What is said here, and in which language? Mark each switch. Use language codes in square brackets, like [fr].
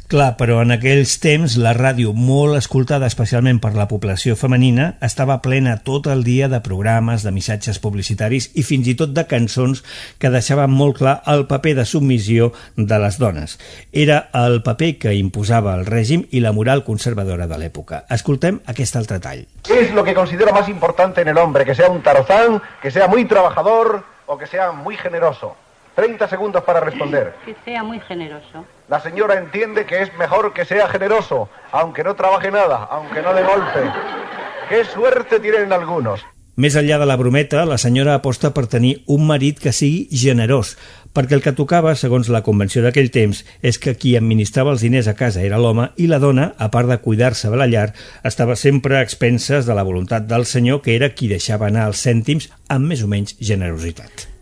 [ca] Clar, però en aquells temps la ràdio, molt escoltada especialment per la població femenina, estava plena tot el dia de programes, de missatges publicitaris i fins i tot de cançons que deixaven molt clar el paper de submissió de les dones. Era el paper que imposava el règim i la moral conservadora de l'època. Escoltem aquest altre tall. [es] ¿Qué es lo que considero más importante en el hombre? ¿Que sea un tarzán, que sea muy trabajador o que sea muy generoso? 30 segundos para responder. Que sea muy generoso. La señora entiende que es mejor que sea generoso, aunque no trabaje nada, aunque no de golpe. ¡Qué suerte tienen algunos! [ca] Més enllà de la brometa, la senyora aposta per tenir un marit que sigui generós, perquè el que tocava, segons la convenció d'aquell temps, és que qui administrava els diners a casa era l'home i la dona, a part de cuidar-se de la llar, estava sempre a expenses de la voluntat del senyor, que era qui deixava anar els cèntims amb més o menys generositat.